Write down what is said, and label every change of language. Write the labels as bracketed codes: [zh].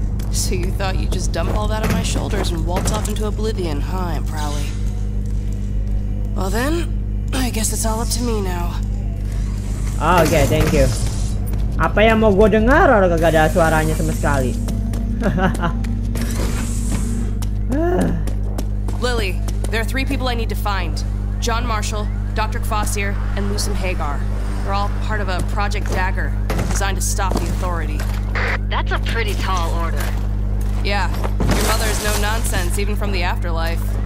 [en] So you thought you'd just dump all that on my shoulders and waltz off into oblivion, huh, Aunt Prowley? Well then, I guess it's all up to me now. Okay, thank you. [id] Apa yang mau gue dengar orang gak ada suaranya sama sekali? [en] Lily, there are three people I need to find. John Marshall, Dr. Kvasir, and Lucim Hagar. They're all part of a Project Dagger, designed to stop the authority. That's a pretty tall order. Yeah, your mother is no nonsense, even from the afterlife.